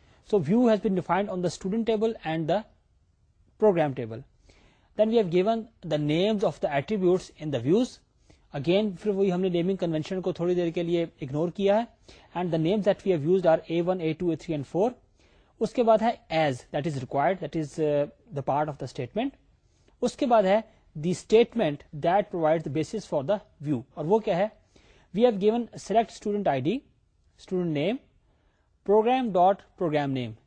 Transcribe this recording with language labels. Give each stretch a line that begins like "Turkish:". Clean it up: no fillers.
English: So view has been defined on the student table and the program table. Then we have given the names of the attributes in the views.
Urdu: Again, پھر وہی ہم نے naming convention کو تھوڑی دیر کے لیے ignore کیا ہے.
English: And the names that we have used are A1, A2, A3 and 4.
Urdu: اس کے بعد ہے
English: as, that is required, that is the part of the statement.
Urdu: اس کے بعد ہے
English: the statement that provides the basis for the view.
Urdu: اور وہ کیا ہے?
English: We have given select student ID, student name, program dot program name.